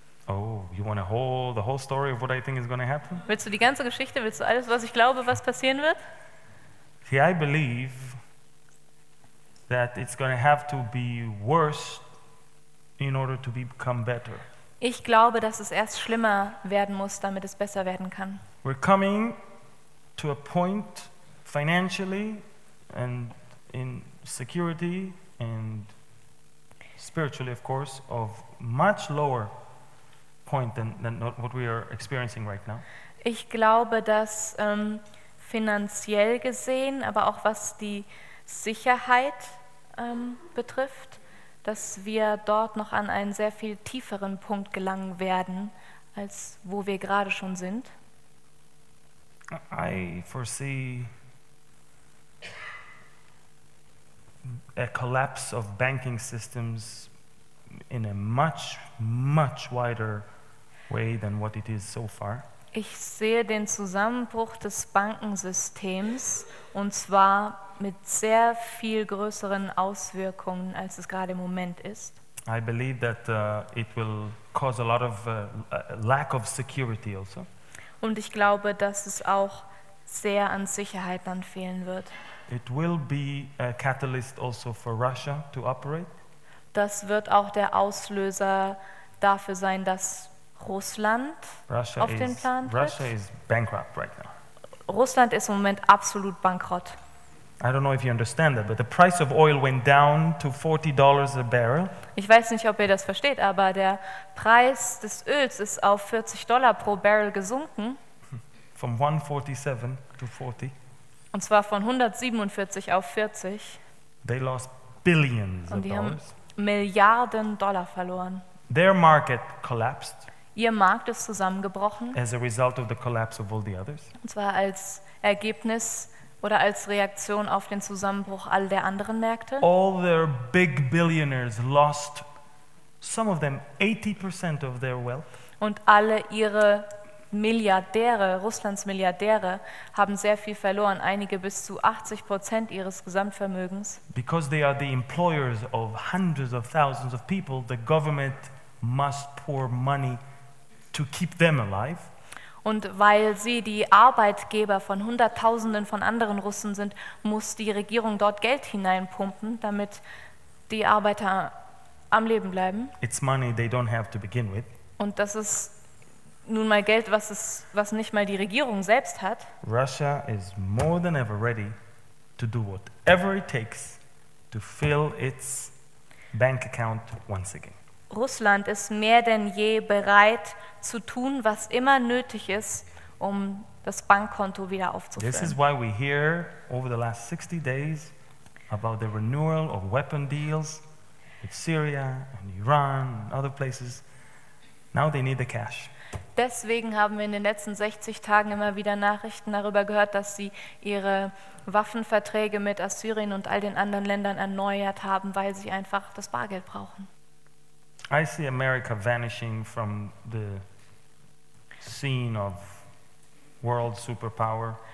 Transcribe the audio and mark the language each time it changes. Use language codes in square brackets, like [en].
[en] Oh, you want the whole story of what I think is going to happen? [de] Willst du die ganze Geschichte? Willst du alles, was ich glaube, was passieren wird? [en] See, I believe that it's going to have to be worse in order to become better. [de] Ich glaube, dass es erst schlimmer werden muss, damit es besser werden kann. [en] We're coming to a point financially and in security and spiritually, of course, of much lower point than what we are experiencing right now. [de] Ich glaube, dass finanziell gesehen, aber auch was die Sicherheit betrifft, dass wir dort noch an einen sehr viel tieferen Punkt gelangen werden, als wo wir gerade schon sind. [en] I foresee a collapse of banking systems in a much, much wider way than what it is so far. [de] Ich sehe den Zusammenbruch des Bankensystems und zwar mit sehr viel größeren Auswirkungen, als es gerade im Moment ist. [en] I believe that it will cause a lot of lack of security also. [de] Und ich glaube, dass es auch sehr an Sicherheit dann fehlen wird. [en] It will be a catalyst also for Russia to operate. [de] Das wird auch der Auslöser dafür sein, dass Russland [en] Russia [de] auf [en] is, [de] den Plan tritt. [en] Russia is bankrupt right now. [de] Russland ist im Moment absolut bankrott. [en] I don't know if you understand that, but the price of oil went down to $40 a barrel. [de] Ich weiß nicht, ob ihr das versteht, aber der Preis des Öls ist auf $40 pro Barrel gesunken. [en] From 147 to 40. [de] Und zwar von 147 auf 40. [en] They lost billions of [de] Und die haben Milliarden Dollar verloren. [en] Their market collapsed. [de] Ihr Markt ist zusammengebrochen. [en] As a result of the collapse of all the others. [de] Und zwar als Ergebnis oder als Reaktion auf den Zusammenbruch all der anderen Märkte. [en] All their big billionaires lost, some of them 80% of their wealth. [de] Und alle ihre Milliardäre, Russlands Milliardäre, haben sehr viel verloren, einige bis zu 80% ihres Gesamtvermögens. [en] Because they are the employers of hundreds of thousands of people, the government must pour money to keep them alive. [de] Und weil sie die Arbeitgeber von Hunderttausenden von anderen Russen sind, muss die Regierung dort Geld hineinpumpen, damit die Arbeiter am Leben bleiben. [en] It's money they don't have to begin with. [de] Und das ist nun mal Geld, was nicht mal die Regierung selbst hat. [en] Russia is more than ever ready to do whatever it takes to fill its bank account once again. [de] Russland ist mehr denn je bereit zu tun, was immer nötig ist, um das Bankkonto wieder aufzufüllen. [en] This is why we hear over the last 60 days about the renewal of weapon deals with Syria and Iran and other places. Now they need the cash. [de] Deswegen haben wir in den letzten 60 Tagen immer wieder Nachrichten darüber gehört, dass sie ihre Waffenverträge mit Assyrien und all den anderen Ländern erneuert haben, weil sie einfach das Bargeld brauchen. [en] I see America vanishing from the scene of world superpower.